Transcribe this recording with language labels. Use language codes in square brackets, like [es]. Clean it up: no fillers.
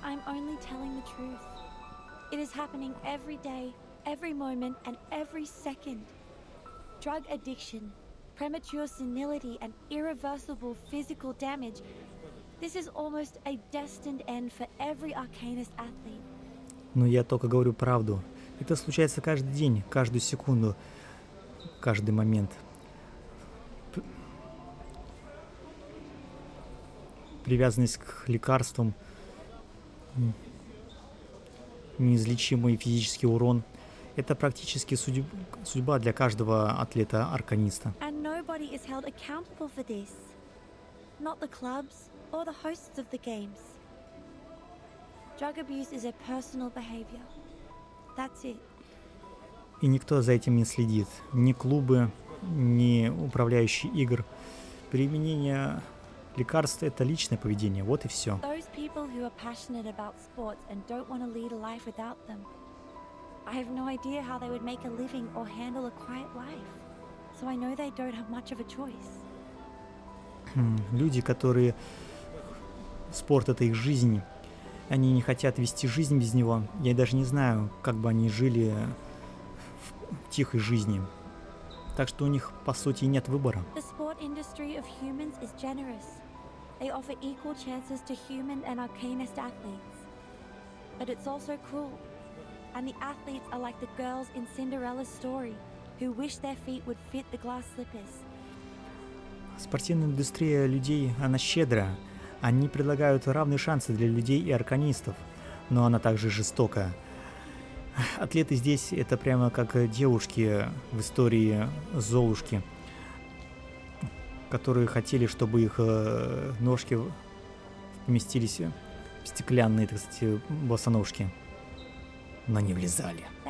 [en] I'm only telling the truth. It is happening every day, every moment and every second. Drug addiction, premature senility and irreversible physical damage. This is almost a destined end for every arcanist athlete. [ru] Но я только говорю правду. Это случается каждый день, каждую секунду, каждый момент. Привязанность к лекарствам, неизлечимый физический урон – это практически судьба для каждого атлета-арканиста. [en] And nobody is held accountable for this. Not the clubs or the hosts of the games. Drug abuse is a personal behavior. That's it. [ru] И никто за этим не следит. Ни клубы, ни управляющие игр. Применение лекарств – это личное поведение. Вот и все. [en] Those people who are passionate about sports and don't want to lead a life without them. I have no idea how they would make a living or handle a quiet life. So I know they don't have much of a choice. [ru] Люди, которые... Спорт – это их жизнь. Они не хотят вести жизнь без него. Я даже не знаю, как бы они жили в тихой жизни. Так что у них, по сути, и нет выбора. [en] The sport industry of humans is generous. They offer equal chances to human and arcanist athletes. But it's also cruel. And the athletes are like the girls in Cinderella's story, who wish their feet would fit the glass slippers. [ru] Спортивная индустрия людей, она щедрая. Они предлагают равные шансы для людей и арканистов, но она также жестокая. Атлеты здесь – это прямо как девушки в истории Золушки, которые хотели, чтобы их ножки вместились в стеклянные, так сказать, босоножки, но не влезали.